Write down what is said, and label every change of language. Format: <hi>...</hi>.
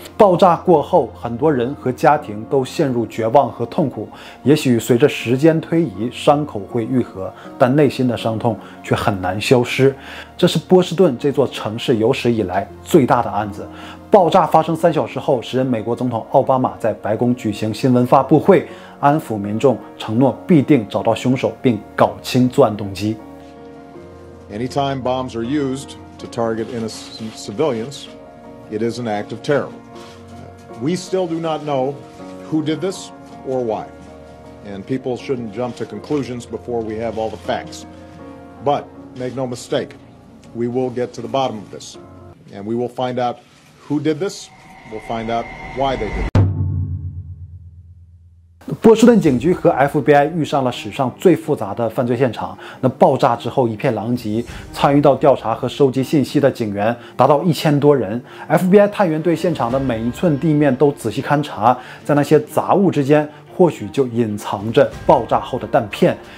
<zh>爆炸过后，很多人和家庭都陷入绝望和痛苦，也许随着时间推移伤口会愈合，但内心的伤痛却很难消失。这是波士顿这座城市有史以来最大的案子。爆炸发生3小时后，时任美国总统奥巴马在白宫举行新闻发布会，安抚民众，承诺必定找到凶手并搞清作案动机。</zh> <en>Anytime bombs are used to target innocent civilians, it is an act of terror. We still do not know who did this or why, and people shouldn't jump to conclusions before we have all the facts. But make no mistake, we will get to the bottom of this, and we will find outWho did this? We'll find out why they did.</en> <zh>波士顿警局和 FBI 遇上了史上最复杂的犯罪现场。那爆炸之后一片狼藉，参与到调查和收集信息的警员达到1000多人。 FBI 探员对现场的每一寸地面都仔细勘察，在那些杂物之间，或许就隐藏着爆炸后的弹片。</zh>